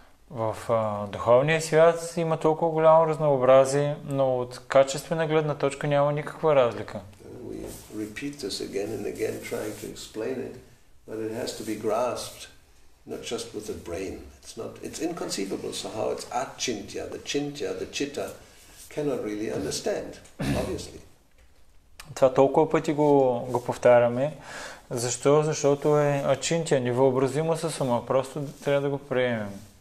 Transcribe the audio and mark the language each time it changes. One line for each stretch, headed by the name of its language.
Bulgarian: В духовния свят има толкова голямо разнообразие, но от качествена гледна точка няма никаква разлика.
English: We repeat this again and again, trying to explain it, but it has to be grasped, not just with the brain. It's not, it's inconceivable. So how it's achintya, the chintya, the chitta, cannot really understand, obviously.
Bulgarian: Това толкова пъти го повтаряме. Защо? Защото е ачинтия, невъобразимо с ума. Просто трябва да го приемем.